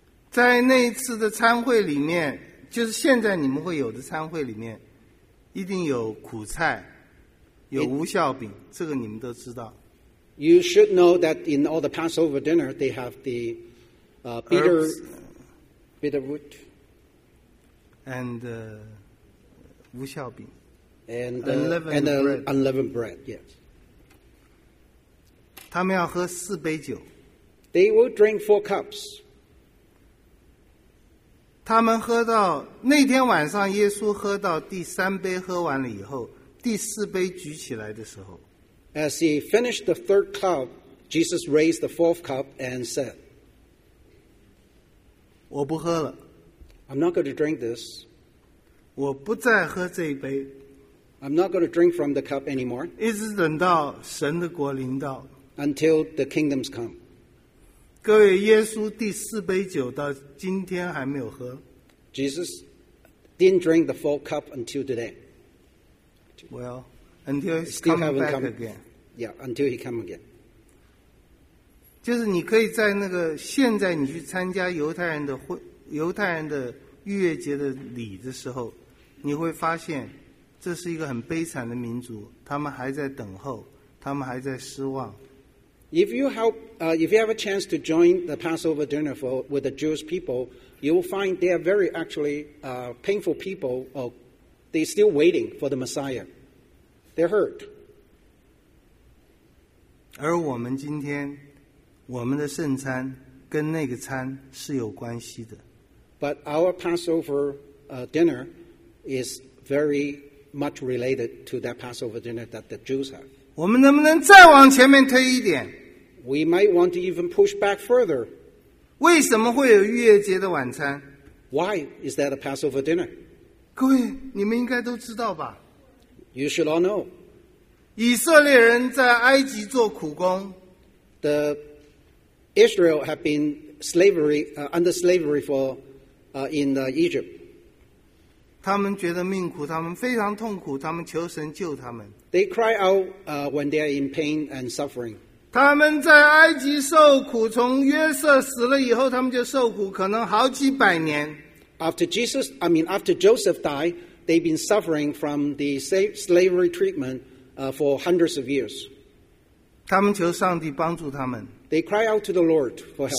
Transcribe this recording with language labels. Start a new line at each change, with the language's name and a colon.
Chinese: 在那一次的餐会里面，就是现在你们会有的餐会里面，一定有苦菜，有无酵饼，这个你们都知道。
English: You should know that in all the Passover dinner, they have the bitterroot
Chinese: and 无酵饼
English: and unleavened bread. Yes.
Chinese: 他们要喝四杯酒。
English: They will drink four cups.
Chinese: 他们喝到那天晚上，耶稣喝到第三杯喝完了以后，第四杯举起来的时候
English: ，As he finished the third cup, Jesus raised the fourth cup and said,
Chinese: 我不喝了。
English: I'm not going to drink this.
Chinese: 我不再喝这一杯。
English: I'm not going to drink from the cup anymore.
Chinese: 一直等到神的国临到。
English: Until the kingdoms come.
Chinese: 各位，耶稣第四杯酒到今天还没有喝。
English: Jesus didn't drink the full cup until today. Well, until he's coming back again. Yeah, until he come again.
Chinese: 就是你可以在那个现在你去参加犹太人的逾越节的礼的时候，你会发现这是一个很悲惨的民族，他们还在等候，他们还在失望。
English: If you have a chance to join the Passover dinner with the Jewish people, you will find they are very actually painful people. Or they're still waiting for the Messiah. They're hurt.
Chinese: 而我们今天，我们的圣餐跟那个餐是有关系的。
English: But our Passover dinner is very much related to that Passover dinner that the Jews have.
Chinese: 我们能不能再往前面推一点？
English: We might want to even push back further.
Chinese: 为什么会有逾越节的晚餐？
English: Why is that a Passover dinner?
Chinese: 各位，你们应该都知道吧？
English: You should all know.
Chinese: 以色列人在埃及做苦工。
English: The Israel have been slavery, under slavery for, in Egypt.
Chinese: 他们觉得命苦，他们非常痛苦，他们求神救他们。
English: They cry out, when they are in pain and suffering.
Chinese: 他们在埃及受苦，从约瑟死了以后，他们就受苦，可能好几百年。
English: After Joseph died, they've been suffering from the slavery treatment for hundreds of years.
Chinese: 他们求上帝帮助他们。
English: They cry out to the Lord for help.